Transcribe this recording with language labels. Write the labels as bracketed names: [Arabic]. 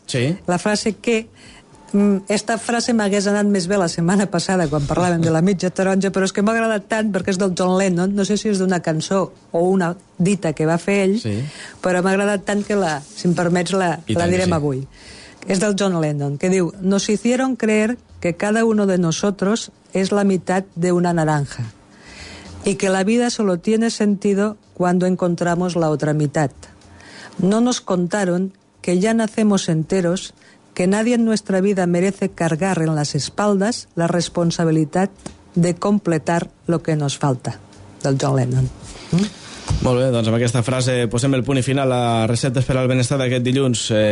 [Catalan] Sí. La frase que... Esta frase m'hagués anat més bé la setmana passada quan parlàvem de la mitja taronja, però és que m'ha agradat tant perquè és del John Lennon, no sé si és d'una cançó o una dita que va fer ell, però m'ha agradat tant que, si em permets, la direm avui. [Spanish] És del John Lennon, que diu: "Nos hicieron creer que cada uno de nosotros es la mitad de una naranja y que la vida solo tiene sentido cuando encontramos la otra mitad. No nos contaron que ya nacemos enteros, que nadie en nuestra vida merece cargar en las espaldas la responsabilidad de completar lo que nos falta", del John Lennon. [Catalan] Molt bé, doncs amb aquesta frase posem el punt i final a Receptes per al Benestar d'aquest dilluns.